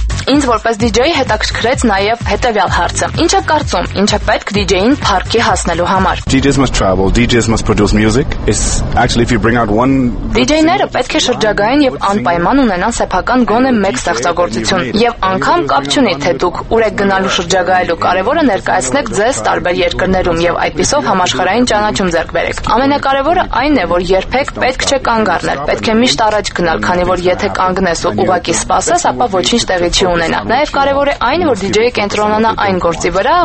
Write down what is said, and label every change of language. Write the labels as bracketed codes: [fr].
[hy] ինձ որպես DJ-ի հետաքրքրեց նաև հետևյալ հարցը. Ինչ եք կարծում, ինչ է պետք DJ-ին փառքի հասնելու համար? [en] DJ's must travel, DJ's must produce music. It's actually if you bring out one [hy] DJ-ները պետք է շրջագային եւ անպայման ունենան սեփական գոնե մեկ ստեղծագործություն եւ անգամ կապ չունի թե դուք ուր եք գնալու շրջագայելու, կարեւորը ներկայացնեք ձեզ տարբեր երկրներում եւ այդպիսով համաշխարհային ճանաչում ձեռք բերեք։ Ամենակարևորը այն է, որ երբեք պետք չէ կանգառնել, պետք է միշտ առաջ գնալ, քանի որ եթե կանգնես ու ուղակի սպասես, ապա ոչինչ տեղի չի ունենա։ Նաև կարևոր է այն, որ DJ-ը կենտրոնանա այն գործի վրա,